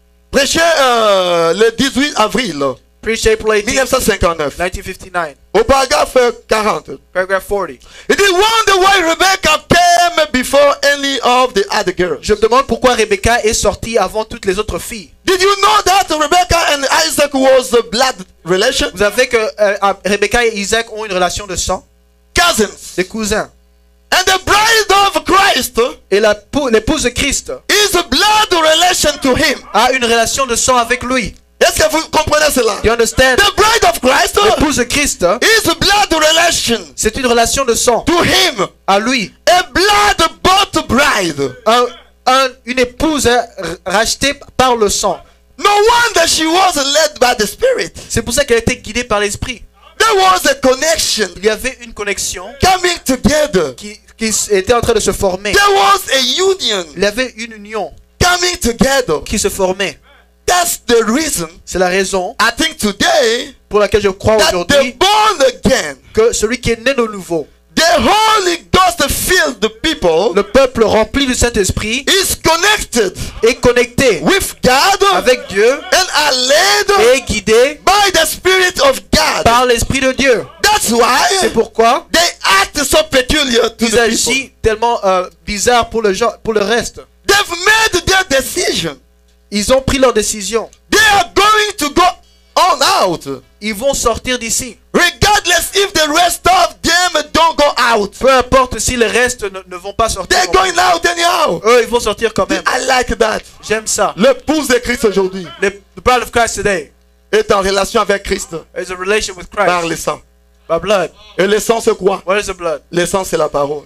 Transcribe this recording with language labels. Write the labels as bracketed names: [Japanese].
[French] Prêchez le 18 avril. [English] Preach April 18, 1959. [French] 1959. Au paragraphe 40. [English] Paragraph 40. It is wonder why Rebecca came before any of the other girls. [French] Je me demande pourquoi Rebecca est sortie avant toutes les autres filles. [English] Did you know that Rebecca and Isaac was a blood relation? [French] Vous savez que Rebecca et Isaac ont une relation de sang? [English] Cousins. [French] Des cousins. [English] And the bride of Christ. [French] Et la l'épouse de Christ. [English] Is a blood relation to him. [French] A une relation de sang avec lui. Est-ce que vous comprenez cela? [English] You understand? The bride of Christ, [French] l'épouse de Christ, [English] is a blood relation. [French] C'est une relation de sang. [English] To him, [French] à lui. [English] A blood bought bride, [French] une épouse rachetée par le sang. [English] No wonder she was led by the Spirit. [French] C'est pour ça qu'elle était guidée par l'esprit. [English] There was a connection. [French] Il y avait une connexion. [English] Coming together, [French] qui était en train de se former. [English] There was a union. [French] Il y avait une union. [English] Coming together, [French] qui se formait. [English] That's the reason. [French] C'est la raison. [English] I think today, [French] pour laquelle je crois aujourd'hui, [English] that the born again, [French] que celui qui est né de nouveau, [English] the Holy Ghost filled the people, [French] le peuple rempli du Saint-Esprit, [English] is connected, [French] est connecté, [English] with God, [French] avec Dieu, [English] and are led, [French] est guidé, [English] by the Spirit of God, [French] par l'Esprit de Dieu. [English] That's why, [French] c'est pourquoi, [English] they act so peculiar to [French] ils agissent tellement bizarre pour le genre, pour le reste. [English] They've made their decision. [French] Ils ont pris leur décision. [English] They are going to go on out. [French] Ils vont sortir d'ici. [English] Regardless if the rest of them don't go out. [French] Peu importe si le reste ne vont pas sortir. [English] They're going out anyhow. [French] Eux, ils vont sortir quand même. [English] I like that. [French] J'aime ça. L'épouse de Christ aujourd'hui. [English] The bride of Christ today. [French] Est en relation avec Christ. [English] Is a relation with Christ. [French] Par le sang. [English] By blood. [French] Et le sang c'est quoi? [English] What is the blood? [French] Le sang c'est la parole.